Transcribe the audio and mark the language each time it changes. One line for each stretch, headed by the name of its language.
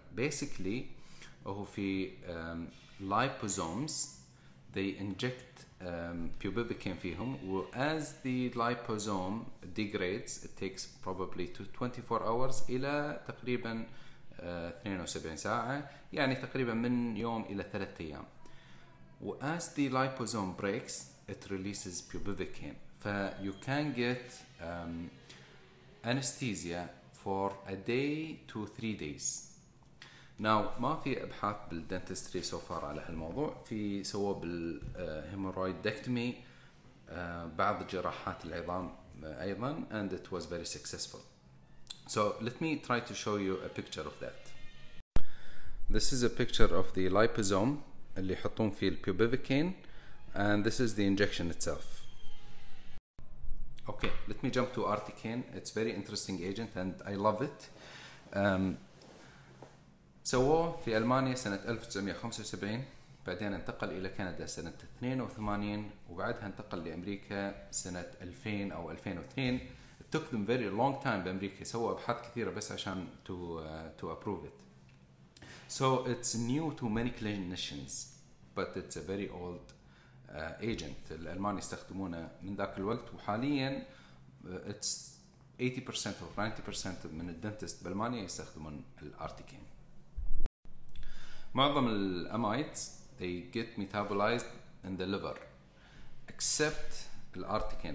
English: Basically
Arabic: هو في
English: liposomes they inject Bupivacaine فيهم و as the liposome degrades it takes probably to 24 hours
Arabic: إلى تقريبا 72 ساعة، يعني تقريبا من يوم إلى 3 أيام.
English: و as the liposome breaks it releases Bupivacaine. ف you can get anesthesia for a day to 3 days.
Arabic: Now ما في ابحاث بالدنتستري سو فار على هالموضوع. في سووا بالهيمورويد دكتمي بعض جراحات العظام ايضا and it was very successful.
English: So let me try to show you a picture of that. This is a picture of the liposome
Arabic: اللي يحطون فيه البيوبيفيكين
English: and this is the injection itself. Okay, let me jump to Articaine. It's very interesting agent and I love it.
Arabic: سووه في ألمانيا سنة 1975 بعدين انتقل إلى كندا سنة 82 وبعدها انتقل لأمريكا سنة 2000 أو 2002.
English: It took them very long time
Arabic: بأمريكا، سووا أبحاث كثيرة بس عشان
English: to approve it. So it's new to many clinicians but it's a very old agent.
Arabic: الألمان يستخدمونه من ذاك الوقت وحاليا
English: it's 80% or 90%
Arabic: من الدنتست بألمانيا يستخدمون الأرتيكين.
English: معظم الأمايتز they get metabolized in the liver except الأرتيكين.